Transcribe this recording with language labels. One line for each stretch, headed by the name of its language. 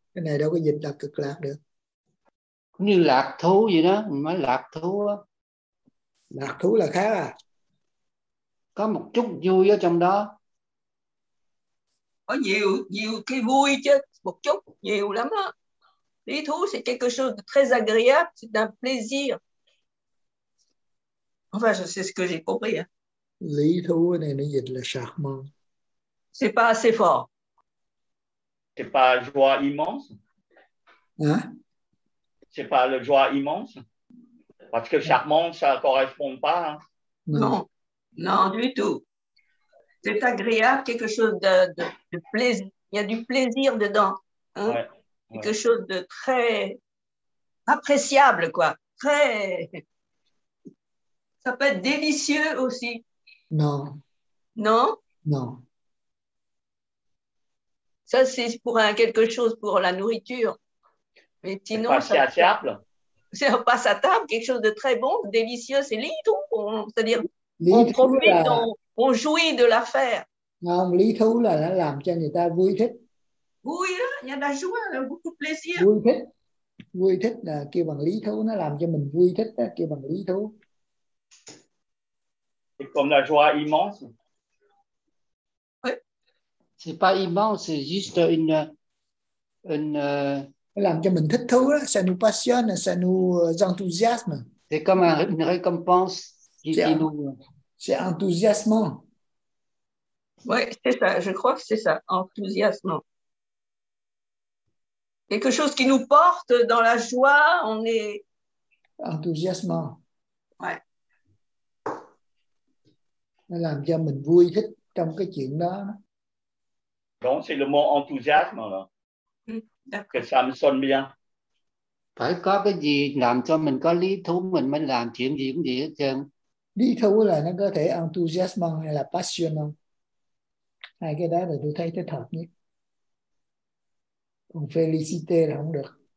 Vietnamese: Cái này đâu có dịch là cực lạc được. Cũng như lạc thú vậy đó, mình nói lạc thú á. Lạc thú là khác à? Có một chút vui ở trong đó. Có nhiều nhiều cái vui chứ, một chút nhiều lắm á.
French: Lý thú c'est quelque chose de très agréable, c'est un plaisir. Enfin, c'est ce que j'ai compris. Hein.
Vietnamese: Lý thú này nó dịch là charmant.
French: C'est pas assez fort. C'est pas joie immense. Hein? C'est pas le joie immense. Parce que charmant, ça correspond pas. Hein. Non. Non, du tout. C'est agréable, quelque chose de plaisir. Il y a du plaisir dedans. Hein? Ouais. Quelque chose de très appréciable, quoi. Très. Ça peut être délicieux aussi. Non. Non? Non. Ça, c'est pour quelque chose pour la nourriture. Mais sinon. C'est pas si agréable. C'est on passe à table, quelque chose de très bon, délicieux, c'est litre. C'est-à-dire.
Vietnamese: Lý
French: on
Vietnamese: thú
French: profite,
Vietnamese: là...
French: on jouit de l'affaire.
Vietnamese: Non, lý thú là nó làm cho người ta vui thích. Vui đó, nhà đã joie, là
French: beaucoup plaisir.
Vietnamese: Vui thích. Vui thích là kêu bằng lý thú, nó làm cho mình vui thích, đó, kêu bằng lý thú.
French: C'est comme la joie immense. Oui. C'est pas immense, c'est juste une...
Vietnamese: Nó làm cho mình thích thú, đó.
French: Ça nous passionne, ça nous enthousiasme. C'est comme une récompense. C'est enthousiasmant. Oui, c'est ça. Je crois que c'est ça, enthousiasmant. Quelque chose qui nous porte dans la joie, on est... Enthousiasmant. Ouais.
Vietnamese: Làm cho mình vui thích trong cái chuyện đó.
French: Donc, c'est le mot enthousiasme, là. D'accord. Que ça me sonne bien.
Vietnamese: Phải có cái gì làm cho mình có lý thú, mình mới làm chuyện gì cũng vậy hết trơn. Lý thú là nó có thể enthusiasm hay là passion. Hai cái đó là tôi thấy thích hợp nhất. Còn felicité là không được.